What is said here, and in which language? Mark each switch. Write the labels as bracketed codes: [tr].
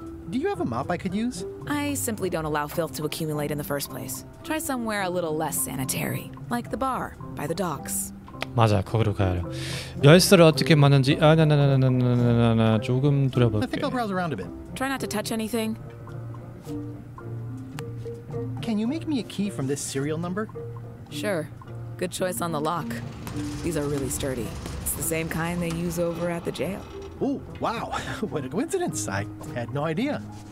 [en] Do you have a mop I could use? I simply don't allow filth to accumulate in the first place. Try somewhere a little less sanitary, like the bar by the docks. [ko] 맞아, 거기로 가야 돼. 열쇠를 어떻게 만든지 아나나나나나나 조금 돌아볼게. [en] I think I'll browse around a bit. Try not to touch anything. Can you make me a key from this serial number? Sure. Good choice on the lock. These are really sturdy. It's the same kind they use over at the jail. Oh, wow. What a coincidence. I had no idea.